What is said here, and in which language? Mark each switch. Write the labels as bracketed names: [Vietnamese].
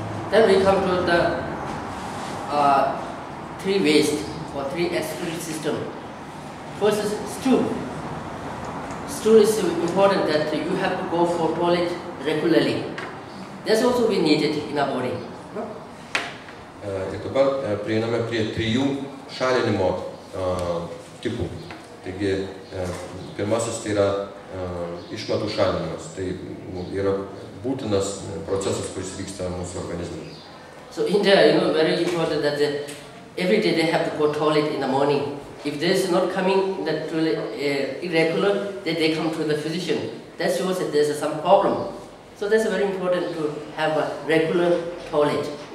[English] Then we come to the three waste or three excretory system. First is stool. Stool is important that you have to go for toilet regularly. That's also we needed in our body. [Lithuanian] Ir dabar prieiname prie trijų šalinimo tipų. Taigi, pirmasis tai yra išmatų šalinimas. Tai yra būtinas procesas, kuris vyksta mūsų organizme. [English] So India, you know, very important that every day they have to go toilet in the morning. If this is not coming that toilet irregular, then they come to the physician. That shows that there's some problem. So that's very important to have a regular toilet.